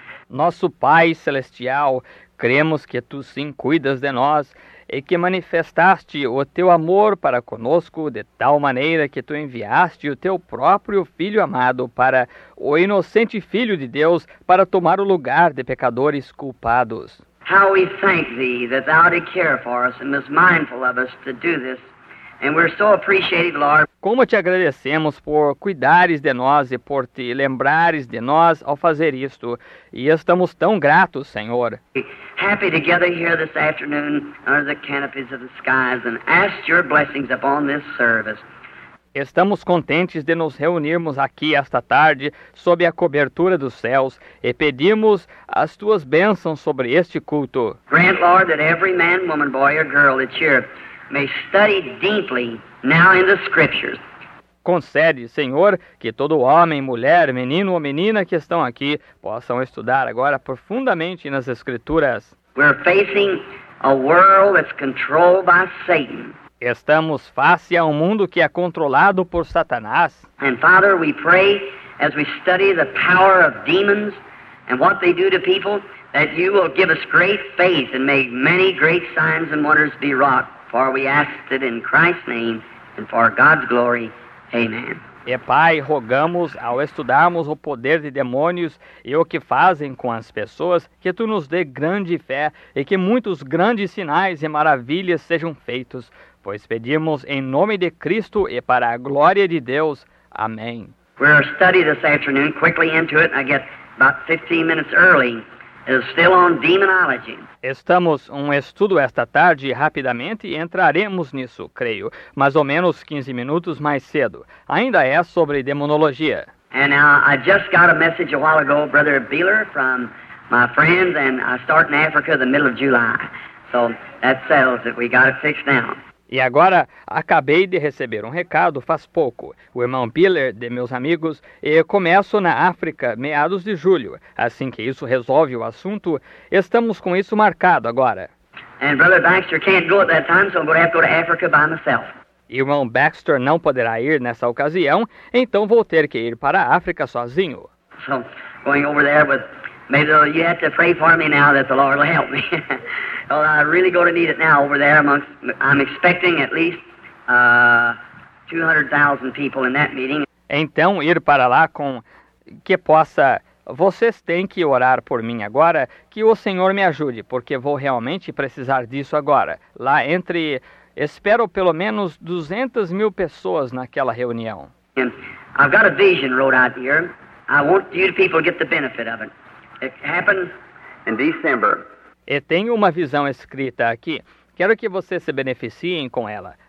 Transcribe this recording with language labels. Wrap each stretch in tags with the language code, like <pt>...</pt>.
<pt>Nosso Pai Celestial, cremos que tu sim cuidas de nós, e que manifestaste o teu amor para conosco de tal maneira que tu enviaste o teu próprio Filho amado para o inocente Filho de Deus para tomar o lugar de pecadores culpados.</pt> <en>How we thank thee that thou didst care for us and was mindful of us to do this. And we're so appreciative, Lord.</en> <pt>Como te agradecemos por cuidares de nós e por te lembrares de nós ao fazer isto. E estamos tão gratos, Senhor.</pt> <en>Happy together here this afternoon under the canopies of the skies and ask your blessings upon this service.</en> <pt>Estamos contentes de nos reunirmos aqui esta tarde sob a cobertura dos céus e pedimos as tuas bênçãos sobre este culto.</pt> <en>Grant, Lord, that every man, woman, boy or girl that's here may study deeply now in the scriptures.</en> <pt>Concede, Senhor, que todo homem, mulher, menino ou menina que estão aqui possam estudar agora profundamente nas escrituras.</pt> <en>We're facing a world that's controlled by Satan.</en> <pt>Estamos face a um mundo que é controlado por Satanás.</pt> <en>And Father, we pray as we study the power of demons and what they do to people that you will give us great faith and may many great signs and wonders be wrought. For we ask it in Christ's name and for God's glory. Amen.</en> <pt>E Pai, rogamos ao estudarmos o poder de demônios e o que fazem com as pessoas, que tu nos dê grande fé e que muitos grandes sinais e maravilhas sejam feitos, pois pedimos em nome de Cristo e para a glória de Deus. Amém.</pt> <en>We're studying this afternoon quickly into it. I get about 15 minutes early. It's still on demonology.</en> <pt>Estamos um estudo esta tarde rapidamente e entraremos nisso, creio, mais ou menos 15 minutos mais cedo. Ainda é sobre demonologia.</pt> <en>And I just got a message a while ago, Brother Beeler, from my friends, and I start in Africa the middle of July. So that settles it. We got it fixed now.</en> <pt>E agora, acabei de receber um recado faz pouco. O irmão Biller, de meus amigos, e começo na África, meados de julho. Assim que isso resolve o assunto, estamos com isso marcado agora.</pt> <en>And Brother Baxter can't go at that time, so I'm going to have to go to Africa by myself.</en> <pt>E o irmão Baxter não poderá ir nessa ocasião, então vou ter que ir para a África sozinho.</pt> <en>So, going over there with... Maybe you have to pray for me now that the Lord will help me. Well, I'm really going to need it now over there. I'm expecting at least 200,000 people in that meeting.</en> <pt>Então, ir para lá com que possa Vocês têm que orar por mim agora, que o Senhor me ajude, porque vou realmente precisar disso agora. Lá entre, espero pelo menos 200 mil pessoas naquela reunião.</pt> <en>I've got a vision wrote out here. I want you people to get the benefit of it. It happened in December.</en> <pt>E tenho uma visão escrita aqui. Quero que vocês se beneficiem com ela.</pt>